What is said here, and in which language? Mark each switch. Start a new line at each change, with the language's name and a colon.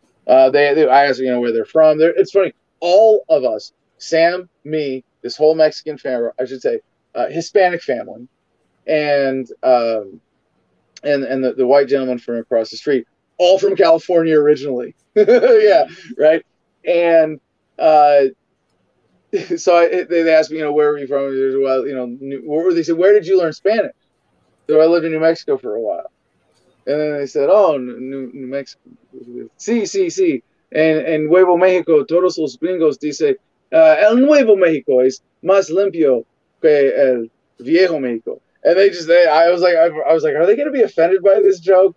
English: I asked, you know, where they're from. It's funny. All of us, Sam, me, this whole Mexican family, I should say, Hispanic family, and the white gentleman from across the street, all from California originally. Yeah, right. And so they asked me, you know, where are you from? Well, you know, they said, where did you learn Spanish? So I lived in New Mexico for a while. And then they said, oh, New Mexico.
Spanish: Sí. And Nuevo México, todos los gringos dice, el Nuevo México es más limpio que el Viejo México.
English: And I was like, are they going to be offended by this joke?